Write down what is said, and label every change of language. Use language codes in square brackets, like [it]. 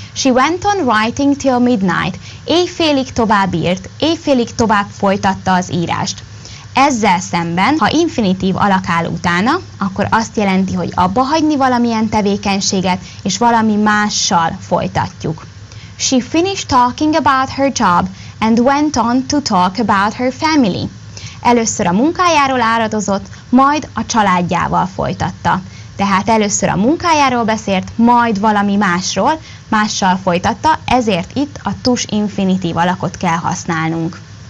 [en] She went on writing till midnight. [hu] Éjfélig tovább írt, éjfélig tovább folytatta az írást. Ezzel szemben, ha infinitív alak áll utána, akkor azt jelenti, hogy abba hagyni valamilyen tevékenységet, és valami mással folytatjuk. [en] She finished talking about her job and went on to talk about her family. [hu] Először a munkájáról áradozott, majd a családjával folytatta. Tehát először a munkájáról beszélt, majd valami másról, mással folytatta, ezért itt a tus infinitív alakot kell használnunk.